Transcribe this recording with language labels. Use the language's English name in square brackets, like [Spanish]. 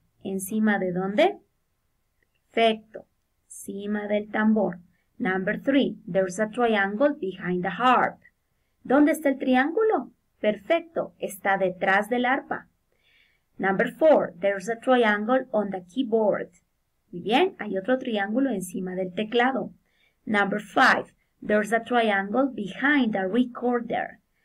[Spanish] ¿Encima de dónde? Perfecto, encima del tambor. [English] Number three, there's a triangle behind the harp. [Spanish] ¿Dónde está el triángulo? Perfecto, está detrás del arpa. [English] Number four, there's a triangle on the keyboard. [Spanish] Muy bien, hay otro triángulo encima del teclado. [English] Number five, there's a triangle behind the recorder.